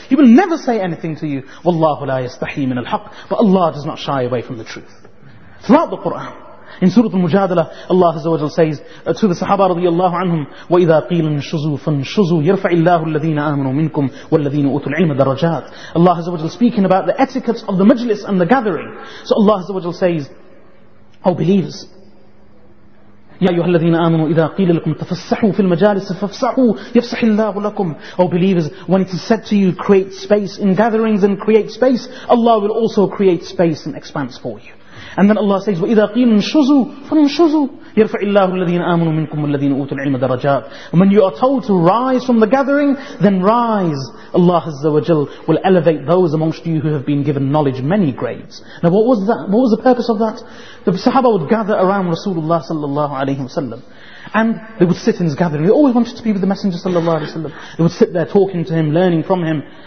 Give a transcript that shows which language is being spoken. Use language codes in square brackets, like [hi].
[en] He will never say anything to you. [ar] Wallahu la yastahyi min al-haq." [en] But Allah does not shy away from the truth. Throughout the Quran, in Surah Al-Mujadalah, Allah Azza wa Jal says to the Sahaba radiyallahu anhum, [ar] وَإِذَا قِيلَ انْشُزُوا فَانْشُزُوا يَرْفَعِ اللَّهُ الَّذِينَ آمَنُوا مِنْكُمْ وَالَّذِينَ أُوتُوا الْعِلْمَ دَرَجَاتٍ. [en] Allah Azza wa Jal speaking about the etiquette of the majlis and the gathering. So Allah Azza wa Jal says, "Oh believers, [ar] يَا أَيُّهَا الَّذِينَ آمَنُوا إِذَا قِيلَ لَكُمْ تَفَسَّحُوا فِي الْمَجَالِسِ فَافْسَحُوا يَفْسَحِ اللَّهُ لَكُمْ." [en] Oh believers, when it is said to you, "Create space in gatherings and create space," Allah will also create space and expanse for you. And then Allah says, [ar] وَإِذَا قِيلَ انْشُزُوا فَانْشُزُوا يَرْفَعِ اللَّهُ الَّذِينَ آمَنُوا مِنْكُمْ وَالَّذِينَ أُوتُوا الْعِلْمَ دَرَجَاتٍ. [en] When you are told to rise from the gathering, then rise. Allah Azza wa Jal will elevate those amongst you who have been given knowledge many grades. Now what was that? What was the purpose of that? The Sahaba would gather around Rasulullah sallallahu alayhi wa sallam, and they would sit in his gathering. They always wanted to be with the Messenger sallallahu alayhi wa sallam. They would sit there talking to him, learning from him.